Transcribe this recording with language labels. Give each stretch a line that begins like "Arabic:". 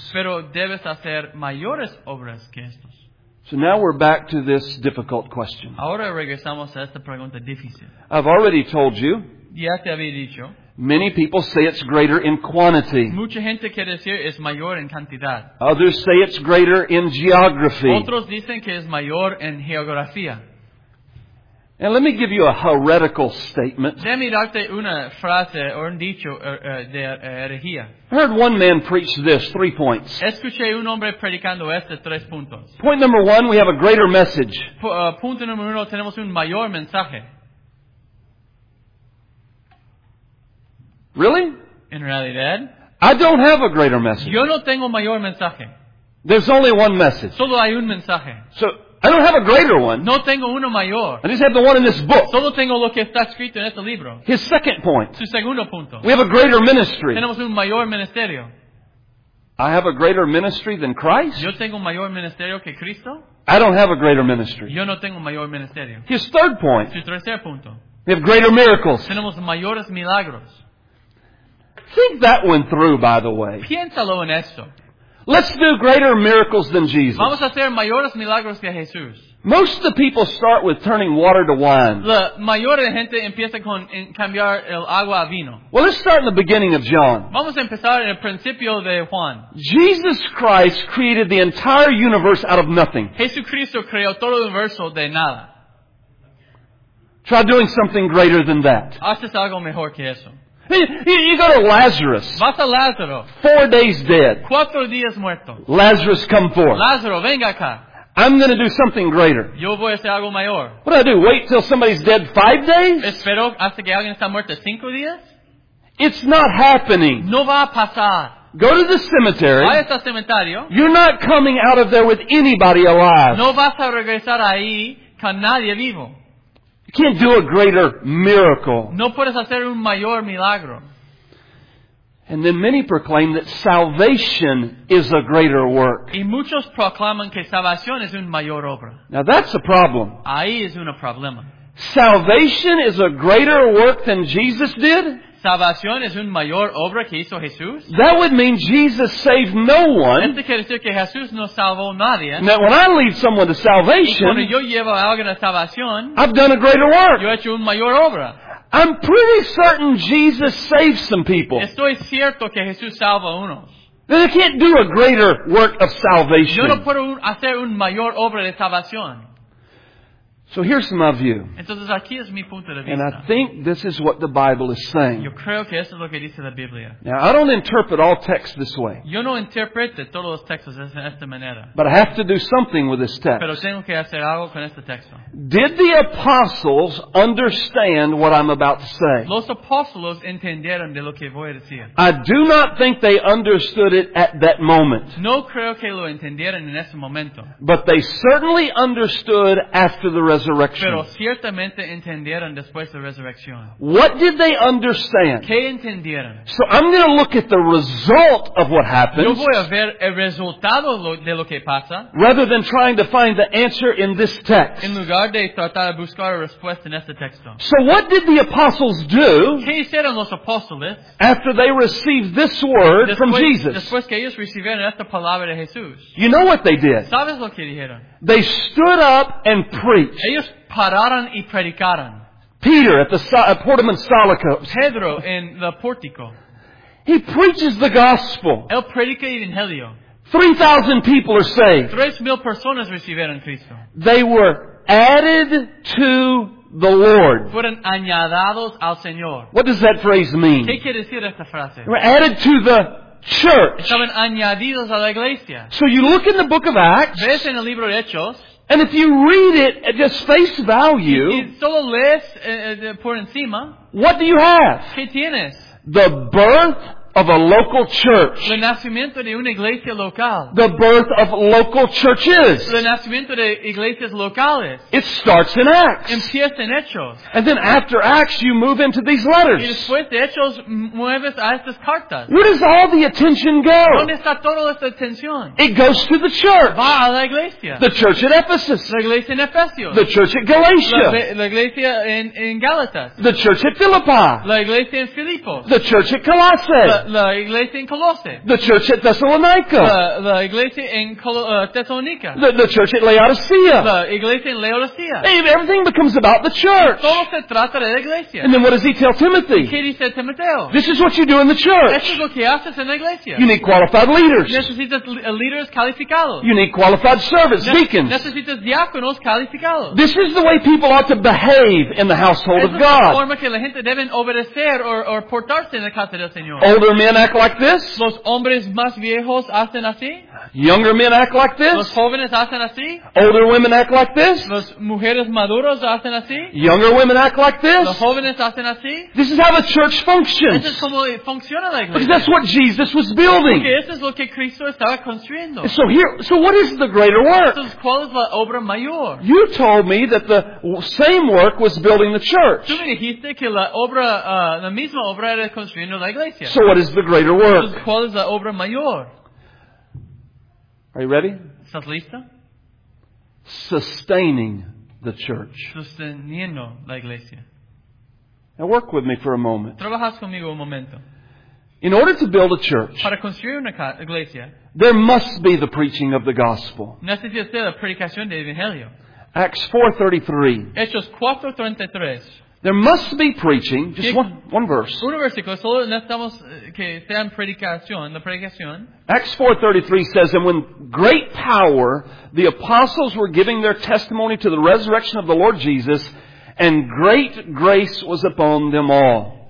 Spanish: Pero debes hacer mayores obras que estos.
English: So now we're back to this difficult question.
Spanish: Ahora regresamos a esta pregunta difícil.
English: I've already told you.
Spanish: Ya te había dicho.
English: Many people say it's greater in quantity.
Spanish: Mucha gente quiere decir es mayor en cantidad.
English: Others say it's greater in geography.
Spanish: Otros dicen que es mayor en geografía.
English: And let me give you a heretical statement.
Spanish: Déjame darte una frase o un dicho de herejía.
English: I heard one man preach this, 3 points.
Spanish: Escuché un hombre predicando este, 3 puntos.
English: Point number one, we have a greater message.
Spanish: Punto número uno, tenemos un mayor mensaje.
English: Really?
Spanish: In realidad.
English: I don't have a greater message.
Spanish: Yo no tengo mayor mensaje.
English: There's only one message.
Spanish: Solo hay un mensaje.
English: So, I don't have a greater one.
Spanish: No tengo uno mayor.
English: I just have the one in this book.
Spanish: Solo tengo lo que está escrito en este libro.
English: His second point.
Spanish: Su segundo punto.
English: We have a greater ministry.
Spanish: Tenemos un mayor ministerio.
English: I have a greater ministry than Christ.
Spanish: Yo tengo mayor ministerio que Cristo.
English: I don't have a greater ministry.
Spanish: Yo no tengo mayor ministerio.
English: His third point.
Spanish: Su tercer punto.
English: We have greater miracles.
Spanish: Tenemos mayores milagros.
English: Think that one through, by the way.
Spanish: Piénsalo en esto.
English: Let's do greater miracles than Jesus.
Spanish: Vamos a hacer mayores milagros que Jesús.
English: Most of the people start with turning water to wine.
Spanish: La mayor gente empieza con cambiar el agua a vino.
English: Well, let's start in the beginning of John.
Spanish: Vamos a empezar en el principio de Juan.
English: Jesus Christ created the entire universe out of nothing.
Spanish: Jesucristo creó todo el universo de nada.
English: Try doing something greater than that.
Spanish: Haces algo mejor que eso.
English: You go to Lazarus.
Spanish: Vas a Lázaro.
English: 4 days dead.
Spanish: 4 días muerto.
English: Lazarus, come forth.
Spanish: Lázaro, venga acá.
English: I'm going to do something greater.
Spanish: Yo voy a hacer algo mayor.
English: What do I do? Wait till somebody's dead 5 days?
Spanish: Espero hasta que alguien está muerto 5 días.
English: It's not happening.
Spanish: No va a pasar.
English: Go to the cemetery.
Spanish: Vaya al cementerio.
English: You're not coming out of there with anybody alive.
Spanish: No vas a regresar ahí con nadie vivo.
English: You can't do a greater miracle.
Spanish: No puedes hacer un mayor milagro.
English: And then many proclaim that salvation is a greater work.
Spanish: Y muchos proclaman que salvación es un mayor obra.
English: Now that's a problem.
Spanish: Ahí es un problema.
English: Salvation is a greater work than Jesus did?
Spanish: Salvación es un mayor obra que hizo Jesús?
English: That would mean Jesus saved no one.
Spanish: Esto quiere decir que Jesús no salvó nadie.
English: Now, when I lead someone to salvation,
Spanish: y cuando yo llevo a alguien a salvación,
English: I've done a greater work.
Spanish: Yo he hecho un mayor obra.
English: I'm pretty certain Jesus saved some people.
Spanish: Estoy cierto que Jesús salva unos.
English: Then I can't do a greater work of salvation.
Spanish: Yo no puedo hacer un mayor obra de salvación.
English: So here's my view.
Spanish: Entonces, aquí es mi punto de vista.
English: And I think this is what the Bible is saying.
Spanish: Yo creo que esto es lo que dice la Biblia.
English: Now, I don't interpret all texts this way.
Spanish: Yo no interpreto todos los textos de esta manera.
English: But I have to do something with this text.
Spanish: Pero tengo que hacer algo con este texto.
English: Did the apostles understand what I'm about to say?
Spanish: Los apóstoles entendieron de lo que voy a decir.
English: I do not think they understood it at that moment.
Spanish: No creo que lo entendieron en ese momento.
English: But they certainly understood after the resurrection.
Spanish: Pero ciertamente entendieron después de resurrección.
English: What did they understand?
Spanish: ¿Qué entendieron?
English: So I'm going to look at the result of what happened.
Spanish: Yo voy a ver el resultado de lo que pasa.
English: Rather than trying to find the answer in this text.
Spanish: En lugar de tratar de buscar la respuesta en este texto.
English: So what did the apostles do?
Spanish: ¿Qué hicieron los apóstoles?
English: After they received this word
Spanish: después,
English: from Jesus.
Spanish: Después que ellos recibieron esta palabra de Jesús.
English: You know what they did?
Spanish: ¿Sabes lo que dijeron?
English: They stood up and preached.
Spanish: Ellos pararon y predicaron.
English: Peter at the Portman Solico.
Spanish: Pedro en el pórtico.
English: He preaches the gospel.
Spanish: Él predica el evangelio.
English: 3,000 people are saved.
Spanish: 3,000 personas recibieron Cristo.
English: They were added to the Lord.
Spanish: Fueron añadidos al Señor.
English: What does that phrase mean?
Spanish: ¿Qué quiere decir esta frase?
English: They were added to the church.
Spanish: Estaban añadidos a la iglesia.
English: So you look in the book of Acts.
Spanish: Ves en el libro de Hechos.
English: And if you read it at just face value.
Spanish: Y solo lees por encima.
English: What do you have?
Spanish: ¿Qué tienes?
English: The birth of a local church.
Spanish: Le nacimiento de una iglesia local.
English: The birth of local churches.
Spanish: Le nacimiento de iglesias locales.
English: It starts in Acts.
Spanish: Empieza en Hechos.
English: And then after Acts, you move into these letters.
Spanish: Y después de Hechos, mueves a estas cartas.
English: Where does all the attention go?
Spanish: ¿Dónde está toda esta atención?
English: It goes to the church.
Spanish: Va a la iglesia.
English: The church at Ephesus.
Spanish: La iglesia en Efesios.
English: The church at Galatia.
Spanish: La iglesia en Gálatas.
English: The church at Philippi.
Spanish: La iglesia en Filipos.
English: The church at Colossae.
Spanish: La iglesia en Colosse.
English: The church at Thessalonica.
Spanish: La iglesia en Tesalónica.
English: The church at Laodicea.
Spanish: La iglesia en Laodicea.
English: And everything becomes about the church.
Spanish: Todo se trata de la iglesia.
English: And then what does he tell Timothy?
Spanish: ¿Qué dice Timoteo?
English: This is what you do in the church.
Spanish: Esto es lo que haces en la iglesia.
English: You need qualified leaders.
Spanish: Necesitas líderes calificados.
English: You need qualified servants, deacons.
Spanish: Necesitas diáconos calificados.
English: This is the way people ought to behave in the household of God.
Spanish: Es la forma que la gente deben obedecer o portarse en la casa del Señor.
English: Older men act like this.
Spanish: Los hombres más viejos hacen así.
English: Younger men act like this.
Spanish: Los jóvenes hacen así.
English: Older women act like this.
Spanish: Las mujeres maduras hacen así.
English: Younger women act like this.
Spanish: Los jóvenes hacen así.
English: This is how the church functions.
Spanish: Eso es como funciona la iglesia.
English: Because that's what Jesus was building.
Spanish: Porque eso es lo que Cristo estaba construyendo.
English: So what is the greater work?
Spanish: Entonces, ¿cuál es la obra mayor?
English: You told me that the same work was building the church.
Spanish: Tú me dijiste que la obra, la misma obra era construyendo la iglesia.
English: So what is the greater work?
Spanish: ¿Cuál es la obra mayor?
English: Are you ready?
Spanish: ¿Estás listo?
English: Sustaining the church.
Spanish: Sosteniendo la iglesia.
English: Now work with me for a moment.
Spanish: ¿Trabajas conmigo un momento?
English: In order to build a church,
Spanish: para construir una iglesia,
English: there must be the preaching of the gospel.
Spanish: Necesita ser la predicación del evangelio.
English: Acts 4:33.
Spanish: Hechos 4:33.
English: There must be preaching. Just one verse.
Spanish: Un versículo. Solo necesitamos que sea en predicación, la predicación.
English: Acts 4:33 says, "And when great power the apostles were giving their testimony to the resurrection of the Lord Jesus, and great grace was upon them all."